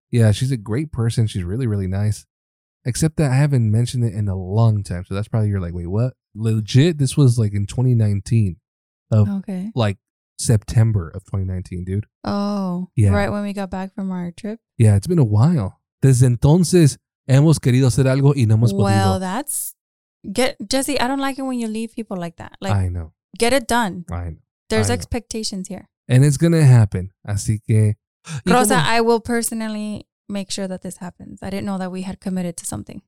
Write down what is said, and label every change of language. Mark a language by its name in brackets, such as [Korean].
[English] Yeah, she's a great person. She's really, really nice. Except that I haven't mentioned it in a long time. So that's probably you're like, wait, what? Legit, this was like in 2019. Like September of 2019, dude. Oh, yeah. Right when we got back from our trip. Yeah, it's been a while. [Spanish] Desde entonces, hemos querido hacer algo y no hemos podido. [English] Well, that's... Jesse, I don't like it when you leave people like that. Like, I know. Get it done. I know. There's expectations here. And it's going to happen. [Spanish] Así que... [English] Rosa, I will personally make sure that this happens. I didn't know that we had committed to something.